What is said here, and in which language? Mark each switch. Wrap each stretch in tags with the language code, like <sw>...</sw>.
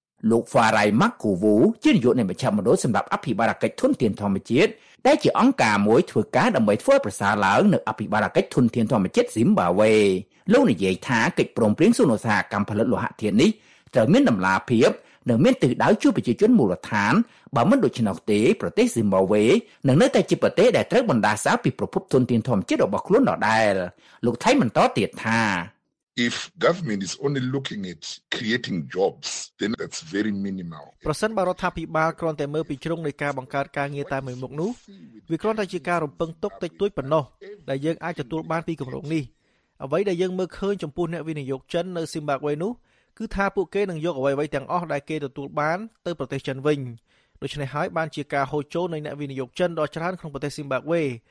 <km>លោកហ្វារ៉ៃម៉ាក់គូវូជានាយកនៃមជ្ឈមណ្ឌលសម្រាប់អភិបាលកិច្ចធនធានធម្មជាតិដែលជាអង្គការមួយធ្វើការដើម្បីធ្វើប្រសើរឡើងនៅអភិបាលកិច្ចធនធានធម្មជាតិស៊ីមបាវេលោកនិយាយថាកិច្ចព្រមព្រៀងសន្និសីទកម្មផលិតលោហៈធាតុនេះត្រូវមានដំណាភាពនិងមានទិសដៅជួយប្រជាជនមូលដ្ឋានបើមិនដូច្នោះទេប្រទេសស៊ីមបាវេនឹងនៅតែជាប្រទេសដែលត្រូវបណ្ដាសាពីប្រភពធនធានធម្មជាតិរបស់ខ្លួនដដែលលោកថៃបន្តទៀតថា</km> <en>If government is only looking at creating jobs, then that's very minimal.</en> <km>ប្រសិនបើរដ្ឋាភិបាលគ្រាន់តែមើលពីជ្រុងនៃការបង្កើតការងារតែមួយមុខនោះវាគ្រាន់តែជាការរំពឹងទុកតិចតួចប៉ុណ្ណោះដែលយើងអាចទទួលបានពីគម្រោងនេះអ្វីដែលយើងមើលឃើញចំពោះអ្នកវិនិយោគចិននៅស៊ីមបាវេនោះគឺថាពួកគេនឹងយកអ្វីៗទាំងអស់ដែលគេទទួលបានទៅប្រទេសចិនវិញដូច្នេះហើយបានជាការហូរចូលនៃអ្នកវិនិយោគចិនដ៏ច្រើនក្នុងប្រទេសស៊ីមបាវេ</km>